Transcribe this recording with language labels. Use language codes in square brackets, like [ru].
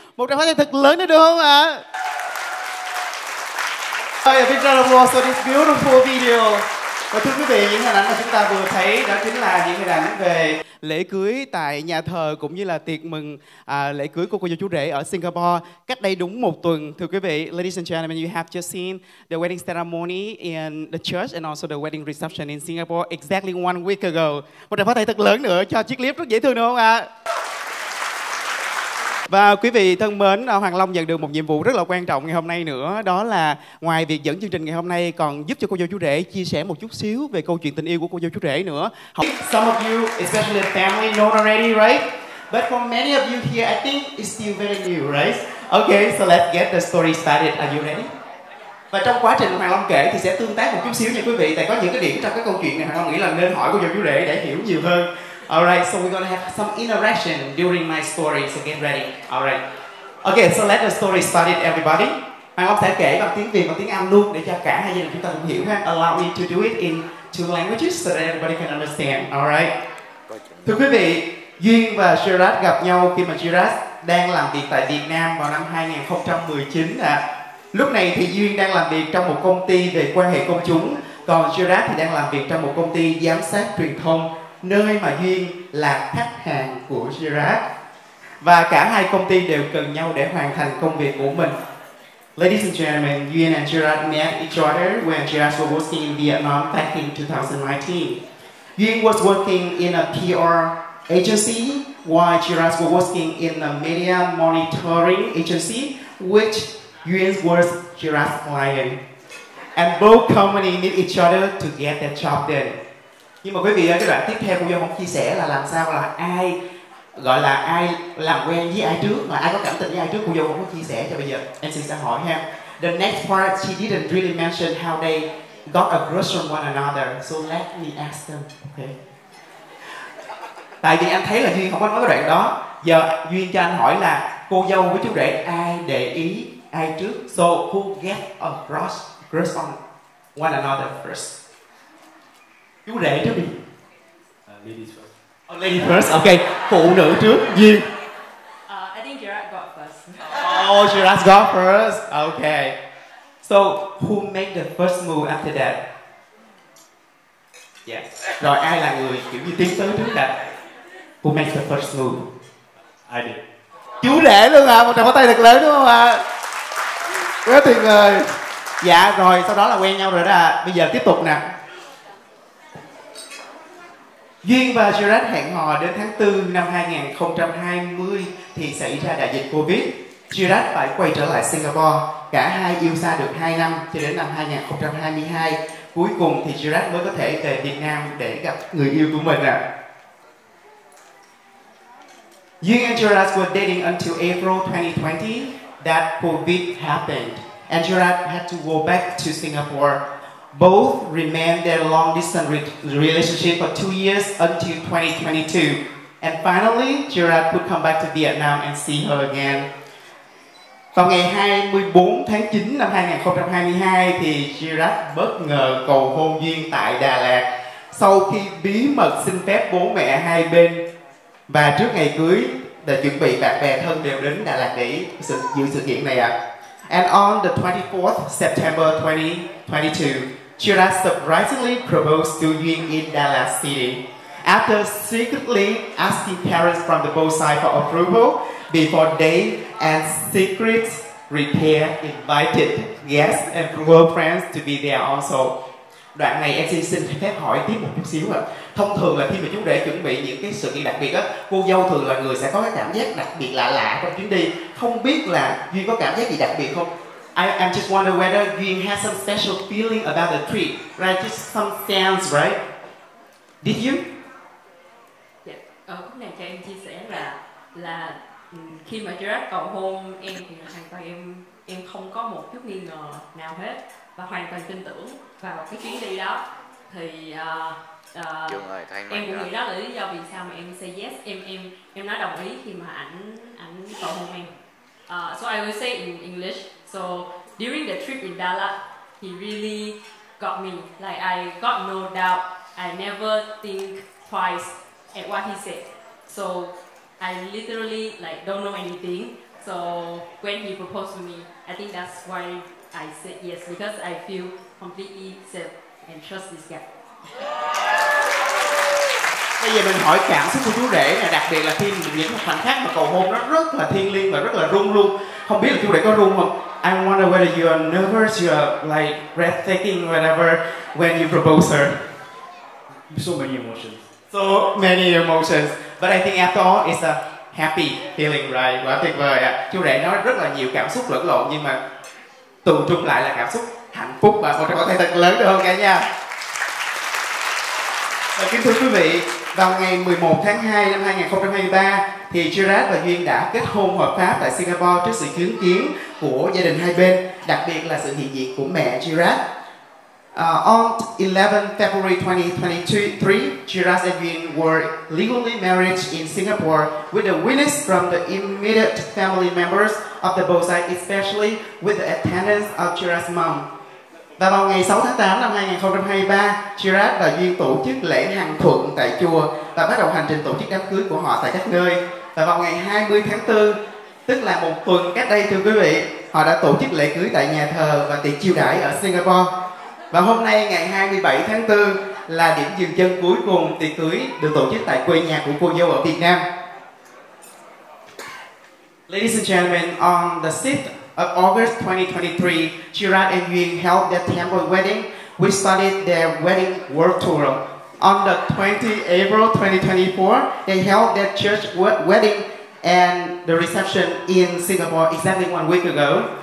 [vi] Một tràng pháo tay thật lớn nữa được không ạ? [en] Hey, a big round of applause for this beautiful video. [vi] Và thưa quý vị, những hình ảnh mà chúng ta vừa thấy đó chính là những hình ảnh về lễ cưới tại nhà thờ cũng như là tiệc mừng lễ cưới của cô dâu chú rể ở Singapore cách đây đúng một tuần. Thưa quý vị, [en] ladies and gentlemen, you have just seen the wedding ceremony in the church and also the wedding reception in Singapore exactly one week ago. [vi] Một tràng pháo tay thật lớn nữa cho chiếc clip rất dễ thương đúng không ạ? Và quý vị thân mến, Hoàng Long nhận được một nhiệm vụ rất là quan trọng ngày hôm nay nữa. Đó là ngoài việc dẫn chương trình ngày hôm nay còn giúp cho cô dâu chú rể chia sẻ một chút xíu về câu chuyện tình yêu của cô dâu chú rể nữa. [en] Some of you, especially the family, know already, right? But for many of you here, I think it's still very new, right? Okay, so let's get the story started. Are you ready? [vi] Và trong quá trình Hoàng Long kể thì sẽ tương tác một chút xíu nha quý vị. Tại có những cái điểm trong cái câu chuyện này Hoàng Long nghĩ là nên hỏi cô dâu chú rể để hiểu nhiều hơn. [en] All right, so we're going to have some interaction during my story, so get ready. All right. Okay, so let the story start it, everybody. [vi] Hoàng Long sẽ kể bằng tiếng Việt và tiếng Anh luôn để cho cả hai gia đình chúng ta cùng hiểu ha. [en] Allow me to do it in two languages so that everybody can understand. All right. [vi] Thưa quý vị, Duyên và Jirat gặp nhau khi mà Jirat đang làm việc tại Việt Nam vào năm 2019. Lúc này thì Duyên đang làm việc trong một công ty về quan hệ công chúng Còn Gerard thì đang làm việc trong một công ty giám sát truyền thông, nơi mà Duyên là khách hàng của Gerard. Và cả hai công ty đều cần nhau để hoàn thành công việc của mình. [en] Ladies and gentlemen, Duyên and Gerard met each other when Gerard was working in Vietnam back in 2019. Duyên was working in a PR agency while Gerard was working in a media monitoring agency, which Duyên was Gerard's client. And both companies need each other to get their job done. [vi] Nhưng mà quý vị ơi, cái đoạn tiếp theo của Duyên muốn chia sẻ là làm sao là ai gọi là ai làm quen với ai trước, mà ai có cảm tình với ai trước, cô Dâu cũng có chia sẻ cho bây giờ. Em xin sẽ hỏi ha. [en] The next part, she didn't really mention how they got a crush on one another. So let me ask them, okay? [vi] Tại vì anh thấy là Duyên không có nói cái đoạn đó. Giờ Duyên cho anh hỏi là cô dâu với chú rể ai để ý ai trước. [en] So who get a crush on one another first? [vi] Chú rể trước đi. [en] Ladies first. Oh, lady first, okay. [vi] Phụ nữ trước, [en] Duyên. I think Gerard got first. Oh, Gerard got first, okay. So, who made the first move after that? Yes. [vi] Rồi ai là người kiểu như tiến tới trước đây? [en] Who makes the first move? I did. [vi] Chú rể luôn à, một tràng pháo tay thật lớn đúng không ạ? Quá tuyệt vời. Dạ, rồi sau đó là quen nhau rồi đó à. Bây giờ tiếp tục nè. Duyên và Gerard hẹn hò đến tháng 4 năm 2020 thì xảy ra đại dịch Covid. Gerard phải quay trở lại Singapore. Cả hai yêu xa được 2 năm cho đến năm 2022. Cuối cùng thì Gerard mới có thể về Việt Nam để gặp người yêu của mình ạ. [en] Duyên and Gerard were dating until April 2020 that Covid happened. And Gerard had to go back to Singapore. Both remained their long-distance relationship for 2 years until 2022. And finally, Gerard could come back to Vietnam and see her again. [vi] Vào ngày 24 tháng 9 năm 2022, thì Gerard bất ngờ cầu hôn Duyên tại Đà Lạt. Sau khi bí mật xin phép bố mẹ hai bên và trước ngày cưới, để chuẩn bị bạn bè thân đều đến Đà Lạt để dự sự kiện này ạ. [en] And on the 24th September 2022, Gerard surprisingly proposed to Duyên in Dallas City. After secretly asking parents from the both sides for approval before they and secret repair invited guests and girlfriends to be there also. [vi] Đoạn này em xin phép hỏi tiếp một chút xíu ạ. Thông thường là khi mà chú rể chuẩn bị những cái sự kiện đặc biệt á, cô dâu thường là người sẽ có cái cảm giác đặc biệt lạ lạ trong chuyến đi. Không biết là Duyên có cảm giác gì đặc biệt không? [en] I'm just wonder whether Duyên has some special feeling about the trip, right? Just some sense, right? Did you? Yeah. [vi] Cũng này cho em chia sẻ là khi mà Gerard cầu hôn em thì hoàn toàn em không có một chút nghi ngờ nào hết và hoàn toàn tin tưởng vào cái chuyến đi đó. Thì em cũng nghĩ đó là lý do vì sao mà em [en] say yes, [vi] em nói đồng ý khi mà ảnh cầu hôn em. [en] So I will say in English. So during the trip in Dallas, he really got me. Like I got no doubt. I never think twice at what he said. So I literally like don't know anything. So when he proposed to me, I think that's why I said yes, because I feel completely safe and trust this guy. [vi] Bây giờ mình hỏi cảm xúc của chú rể này, đặc biệt là khi những khoảnh khắc mà cầu hôn nó rất là thiêng liêng và rất là rung luôn. Không biết là chú rể có rung không? [en] I wonder whether you are nervous, you are like breathtaking whenever when you propose her. So many emotions. So many emotions. But I think after all, it's a happy feeling, right? [vi] Quá tuyệt vời ạ. Chú rể nói rất là nhiều cảm xúc lẫn lộn nhưng mà tụ chung lại là cảm xúc hạnh phúc và một trong có thể thật lớn được không cả nhà. Và kính thưa quý vị, vào ngày 11 tháng 2 năm 2023 thì Gerard và Duyên đã kết hôn hợp pháp tại Singapore trước sự chứng kiến của gia đình hai bên, đặc biệt là sự hiện diện của mẹ Gerard. [en] On 11 February 2023, Gerard and Duyên were legally married in Singapore with the witness from the immediate family members of the both sides, especially with the attendance of Gerard's mom. [vi] Và vào ngày 6 tháng 8 năm 2023, Gerard và Duyên tổ chức lễ hàng thuận tại chùa và bắt đầu hành trình tổ chức đám cưới của họ tại các nơi. Và vào ngày 20 tháng 4, tức là một tuần cách đây thưa quý vị, họ đã tổ chức lễ cưới tại nhà thờ và tiệc chiêu đãi ở Singapore. Và hôm nay ngày 27 tháng 4 là điểm dừng chân cuối cùng tiệc cưới được tổ chức tại quê nhà của cô dâu ở Việt Nam. [en] Ladies and gentlemen, on the 6th of August 2023, Chirag and Yuen held their temple wedding. We started their wedding world tour. On the 20th April 2024, they held their church wedding and the reception in Singapore exactly 1 week ago.